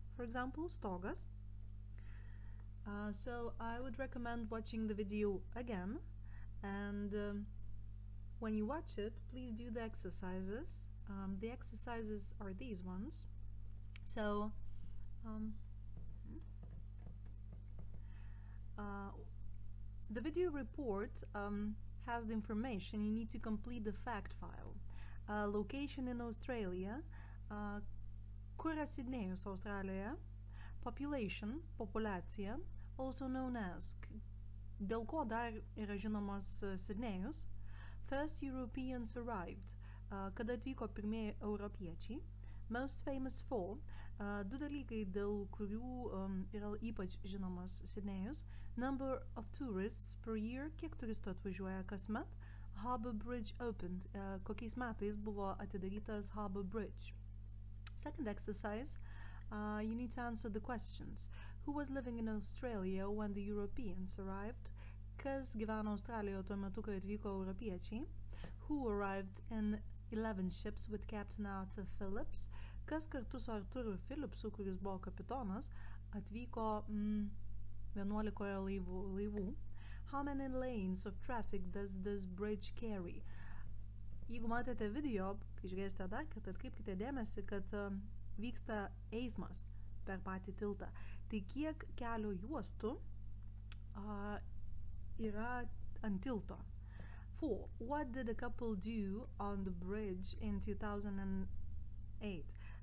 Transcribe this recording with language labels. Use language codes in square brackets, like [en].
[en] for example, Stogas. So I would recommend watching the video again, and when you watch it, please do the exercises. The exercises are these ones. So the video report has the information you need to complete the fact file. Location in Australia, [lt] Kura Sydneyus, [en] Australia, population, [lt] populacija, [en] also known as, [lt] dėl ko dar yra žinomas Sydneyus, [en] first Europeans arrived, [lt] kada atvyko pirmieji europiečiai, [en] most famous for, [lt] du dalykai, dėl kurių yra ypač žinomas Sydneyus, [en] number of tourists per year, [lt] kiek turistų atvažiuoja kasmet, [en] Harbour Bridge opened, [lt] kokiais metais buvo atidarytas Harbour Bridge. [en] Second exercise, you need to answer the questions. Who was living in Australia when the Europeans arrived? [lt] Kas gyveno Australijoje tuo metu, kai atvyko europiečiai? [en] Who arrived in 11 ships with Captain Arthur Phillips? [lt] Kas kartu su Arturu Phillipsu, kuris buvo kapitonas, atvyko 11 laivų? [en] How many lanes of traffic does this bridge carry? [lt] Jeigu matėte video, kai žiūrėsite dar, kad atkreipkite dėmesį, kad vyksta eismas per patį tiltą. Tai kiek kelio juostų yra ant tilto? 4. [en] What did the couple do on the bridge in 2008?